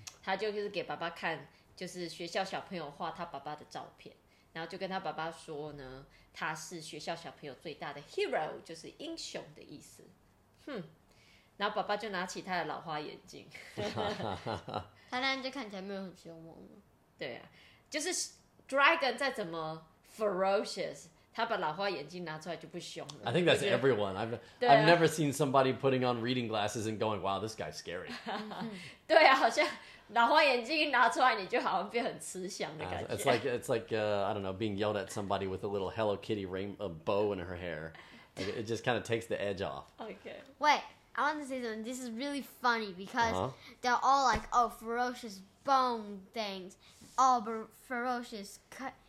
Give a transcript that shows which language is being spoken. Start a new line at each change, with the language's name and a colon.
Chinese: 他就是给爸爸看，就是学校小朋友画他爸爸的照片，然后就跟他爸爸说呢，他是学校小朋友最大的 hero， 就是英雄的意思。哼，然后爸爸就拿起他的老花眼镜，他那样就看起来没有很凶猛吗？对啊，就是 Dragon 再怎么 ferocious。他把老花眼镜拿出来就不凶了。
English: I think that's everyone. I've never seen somebody putting on reading glasses and going, "Wow, this guy's scary."
Chinese: 对啊，好像老花眼镜拿出来，你就好像变很慈祥的感觉。
English: It's like I don't know, being yelled at somebody with a little Hello Kitty bow in her hair. It just kind of takes the edge off. Okay. Wait, I want to say something. This is really funny because they're all like, "Oh, ferocious bone things, all ferocious cut."